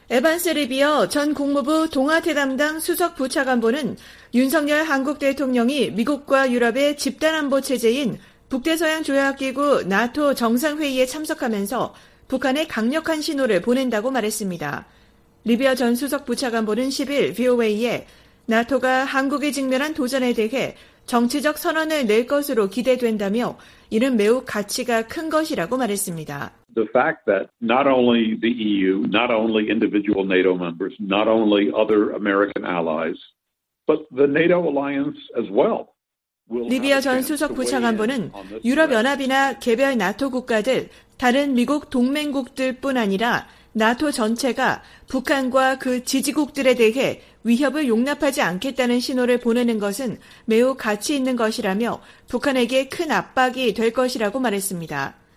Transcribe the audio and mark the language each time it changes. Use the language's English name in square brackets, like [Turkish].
[Korean] 에반스 리비어 전 국무부 동아태 담당 수석 부차관보는 윤석열 한국 대통령이 미국과 유럽의 집단안보 체제인 북대서양 조약기구 나토 정상회의에 참석하면서 북한에 강력한 신호를 보낸다고 말했습니다. 리비어 전 수석 부차관보는 10일 VOA에 나토가 한국이 직면한 도전에 대해 정치적 선언을 낼 것으로 기대된다며 이는 매우 가치가 큰 것이라고 말했습니다. [English] The fact that not only the EU, not only individual NATO members, not only other American allies, but the NATO alliance as well. [Korean] 리비아 전 수석 부차관보는 유럽연합이나 개별 나토 국가들, 다른 미국 동맹국들 뿐 아니라 나토 전체가 북한과 그 지지국들에 대해 위협을 용납하지 않겠다는 신호를 보내는 것은 매우 가치 있는 것이라며 북한에게 큰 압박이 될 것이라고 말했습니다.